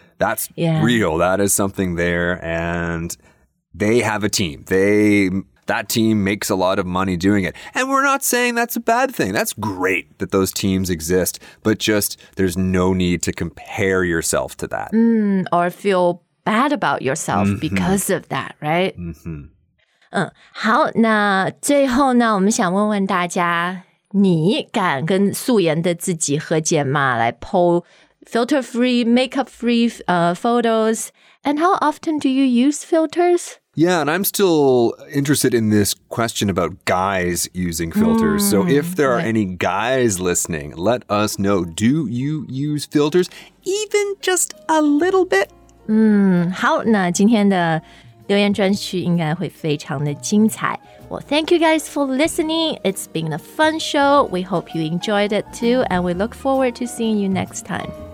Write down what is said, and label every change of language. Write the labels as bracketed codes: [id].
[en] That's real. That is something there. And they have a team. That team makes a lot of money doing it. And we're not saying that's a bad thing. That's great that those teams exist. But just there's no need to compare yourself to that. Or feel bad about yourself because of that, right? Mm-hmm. [zh] 好，那最后呢，我们想问问大家，你敢跟素颜的自己和解吗？来剖 [en] filter-free, makeup-free photos. And how often do you use filters? Yeah, and I'm still interested in this question about guys using filters. So if there are any guys listening, let us know. Do you use filters? Even just a little bit? [zh] 好，那今天的留言专区应该会非常的精彩。 [en] Well, thank you guys for listening. It's been a fun show. We hope you enjoyed it too. And we look forward to seeing you next time.